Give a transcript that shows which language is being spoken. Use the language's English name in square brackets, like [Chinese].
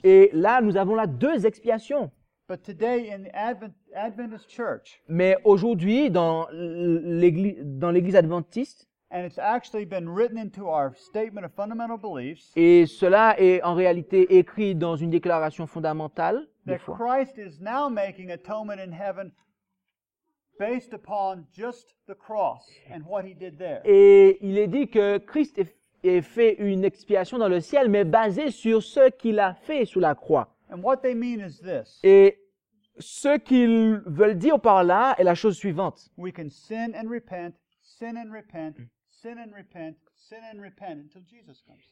[French] Et là, nous avons là deux expiations. [English] But today in the Adventist Church, [French] mais aujourd'hui, dans l'Église adventiste, [English] and it's actually been written into our statement of fundamental beliefs, [French] et cela est en réalité écrit dans une déclaration fondamentale, [English] that Christ is now making atonement in heaven based upon just the cross and what he did there. [French] Et il est dit que Christ est fait une expiation dans le ciel, mais basée sur ce qu'il a fait sous la croix. [English] And what they mean is this. [French] Et ce qu'ils veulent dire par là est la chose suivante. [English] We can sin and repent, sin and repent, sin and repent, sin and repent until Jesus comes.